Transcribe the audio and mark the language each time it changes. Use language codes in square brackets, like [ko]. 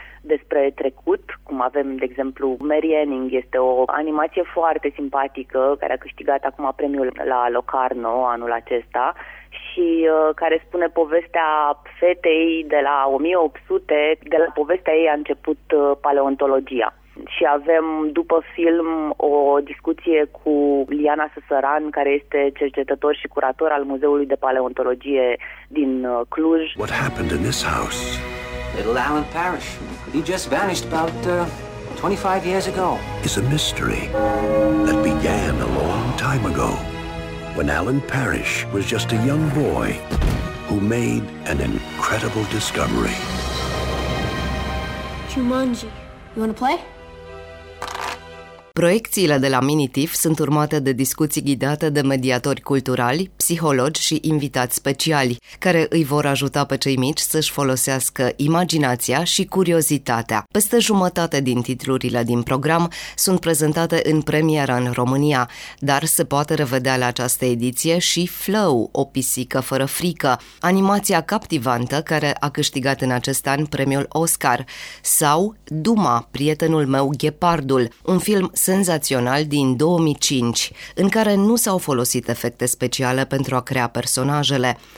[ro] despre trecut, cum avem, de exemplu, Mary Anning, este o animație foarte simpatică, care a câștigat acum premiul la Locarno anul acesta și care spune povestea fetei de la 1800, de la povestea ei a început paleontologia. Și avem, după film, o discuție cu Liana Săsăran, care este cercetător și curator al Muzeului de Paleontologie din Cluj. [en] What happened in this house? Little Alan Parrish. He just vanished about 25 years ago. It's a mystery that began a long time ago, when Alan Parrish was just a young boy who made an incredible discovery. Jumanji, you want to play? [ro] Proiecțiile de la Minitif sunt urmate de discuții ghidate de mediatori culturali, psihologi și invitați speciali, care îi vor ajuta pe cei mici să-și folosească imaginația și curiozitatea. Peste jumătate din titlurile din program sunt prezentate în premieră în România, dar se poate revedea la această ediție și Flow, o pisică fără frică, animația captivantă care a câștigat în acest an premiul Oscar, sau Duma, prietenul meu ghepardul, un film senzațional din 2005, în care nu s-au folosit efecte speciale pentru a crea personajele.